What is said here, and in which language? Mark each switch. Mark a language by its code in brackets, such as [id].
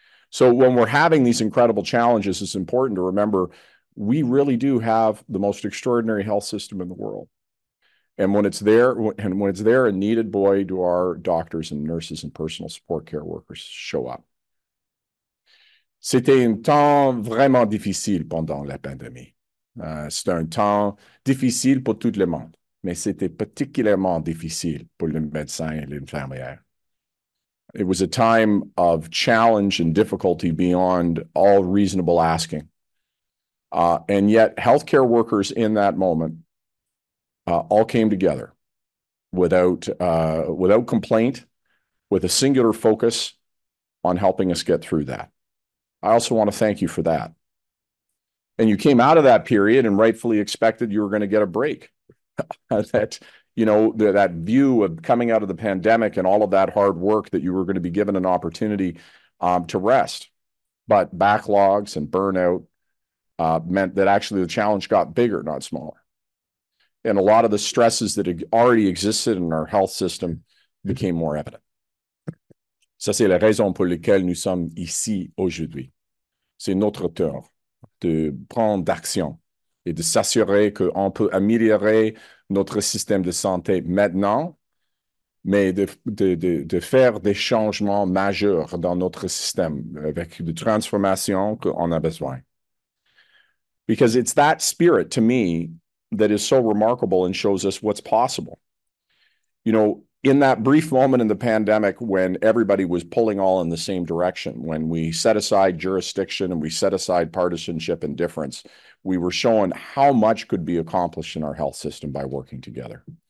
[en] So when we're having these incredible challenges, it's important to remember we really do have the most extraordinary health system in the world. And when it's there, and when it's there and needed, boy, do our doctors and nurses and personal support care workers show up. [fr] C'était un temps vraiment difficile pendant la pandémie. C'était un temps difficile pour tout le monde, mais c'était particulièrement difficile pour les médecins et les infirmières. [en] It was a time of challenge and difficulty beyond all reasonable asking. And yet, healthcare workers in that moment all came together without complaint, with a singular focus on helping us get through that. I also want to thank you for that. And you came out of that period and rightfully expected you were going to get a break. That, you know, that view of coming out of the pandemic and all of that hard work, that you were going to be given an opportunity to rest. But backlogs and burnout meant that actually the challenge got bigger, not smaller. And a lot of the stresses that already existed in our health system became more evident. [fr] Ça, c'est la raison pour laquelle nous sommes ici aujourd'hui. C'est notre tour de prendre d'action et de s'assurer qu'on peut améliorer notre système de santé maintenant, mais de faire des changements majeurs dans notre système avec des transformations qu'on a besoin. [en] Because it's that spirit, to me, that is so remarkable and shows us what's possible. You know, in that brief moment in the pandemic when everybody was pulling all in the same direction, when we set aside jurisdiction and we set aside partisanship and difference, we were shown how much could be accomplished in our health system by working together.